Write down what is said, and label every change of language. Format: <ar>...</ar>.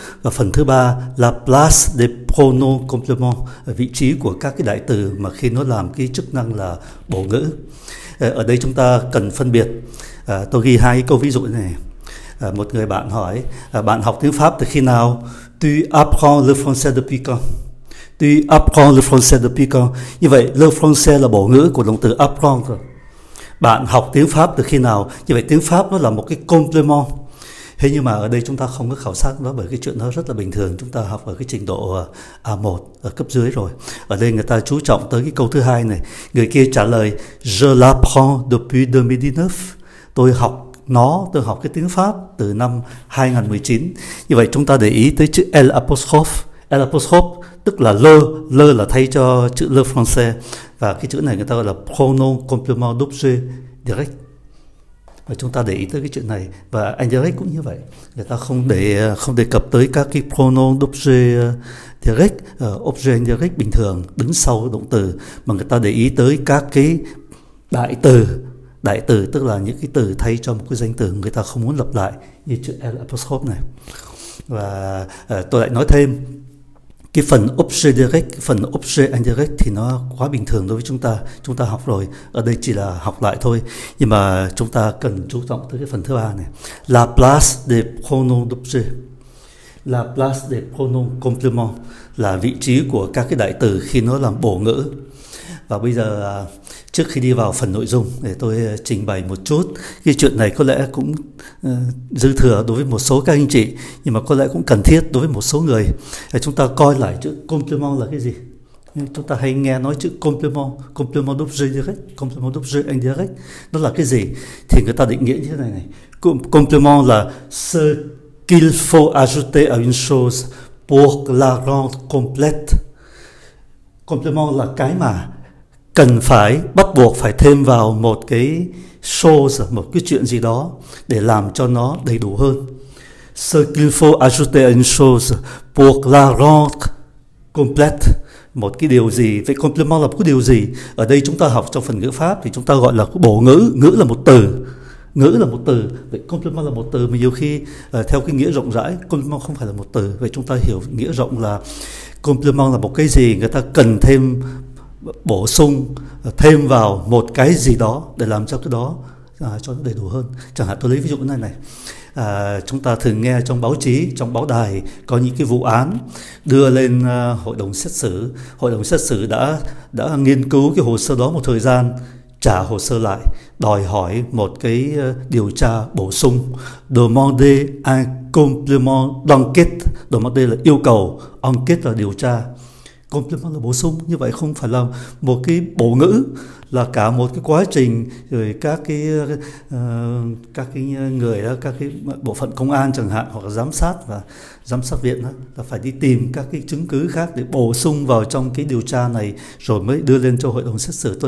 <vi>Và phần thứ ba là</vi> <fr>place des pronoms complément,</fr> <vi>vị trí của các cái đại từ mà khi nó làm cái chức năng là bổ ngữ. Ở đây chúng ta cần phân biệt. Tôi ghi hai câu ví dụ này. Một người bạn hỏi: bạn học tiếng Pháp từ khi nào?</vi> <fr>Tu apprends le français depuis quand? Tu apprends le français depuis quand?</fr> <vi>Như vậy, le français là bổ ngữ của động từ apprendre. Bạn học tiếng Pháp từ khi nào? Như vậy, tiếng Pháp nó là một cái complement. Thế nhưng mà ở đây chúng ta không có khảo sát nó, bởi cái chuyện đó rất là bình thường. Chúng ta học ở cái trình độ A1, ở cấp dưới rồi. Ở đây người ta chú trọng tới cái câu thứ hai này. Người kia trả lời:</vi> <fr>Je l'apprends depuis 2019.</fr> <vi>Tôi học nó, tôi học cái tiếng Pháp từ năm 2019. Như vậy chúng ta để ý tới chữ L apostrophe. L apostrophe tức là le. Le là thay cho chữ le français. Và cái chữ này người ta gọi là</vi> <fr>pronom complément d'objet direct.</fr> <vi>Và chúng ta để ý tới cái chuyện này, và indirect cũng như vậy, người ta không đề cập tới các cái pronom d'objet direct, objet indirect bình thường đứng sau động từ, mà người ta để ý tới các cái đại từ, tức là những cái từ thay cho một cái danh từ người ta không muốn lặp lại, như chữ L apostrophe này. Và tôi lại nói thêm, cái phần objet direct, phần objet indirect thì nó quá bình thường đối với chúng ta. Chúng ta học rồi, ở đây chỉ là học lại thôi. Nhưng mà chúng ta cần chú trọng tới cái phần thứ ba này.</vi> <fr>La place des pronoms d'objet. La place des pronoms complément</fr> <vi>là vị trí của các cái đại từ khi nó làm bổ ngữ. Và bây giờ, trước khi đi vào phần nội dung, để tôi trình bày một chút. Cái chuyện này có lẽ cũng dư thừa đối với một số các anh chị, nhưng mà có lẽ cũng cần thiết đối với một số người. Chúng ta coi lại chữ complement là cái gì. Chúng ta hay nghe nói chữ complement,</vi> <fr>complement d'objet direct, complement d'objet indirect.</fr> <vi>Nó là cái gì? Thì người ta định nghĩa như thế này.</vi> <fr>Complement là ce qu'il faut ajouter à une chose pour la rendre complète.</fr> <vi>Complement là cái mà cần phải, bắt buộc phải thêm vào một cái shows, một cái chuyện gì đó để làm cho nó đầy đủ hơn.</vi> <fr>Ce qu'il faut ajouter à une chose pour la rendre complète.</fr> <vi>Một cái điều gì? Vậy complement là một cái điều gì? Ở đây chúng ta học trong phần ngữ pháp thì chúng ta gọi là bổ ngữ. Ngữ là một từ. Ngữ là một từ. Vậy complement là một từ, mà nhiều khi theo cái nghĩa rộng rãi, complement không phải là một từ. Vậy chúng ta hiểu nghĩa rộng là complement là một cái gì người ta cần thêm, bổ sung thêm vào một cái gì đó để làm cho cái đó cho nó đầy đủ hơn. Chẳng hạn tôi lấy ví dụ này này, chúng ta thường nghe trong báo chí, trong báo đài có những cái vụ án đưa lên hội đồng xét xử. Hội đồng xét xử đã nghiên cứu cái hồ sơ đó một thời gian, trả hồ sơ lại, đòi hỏi một cái điều tra bổ sung.</vi> <fr>Demander un complément d'enquête.</fr> <vi>Demander là yêu cầu, enquête là điều tra, complement là bổ sung. Như vậy không phải là một cái bổ ngữ, là cả một cái quá trình, rồi các cái bộ phận công an chẳng hạn, hoặc là giám sát và giám sát viện đó, là phải đi tìm các cái chứng cứ khác để bổ sung vào trong cái điều tra này rồi mới đưa lên cho hội đồng xét xử.</vi>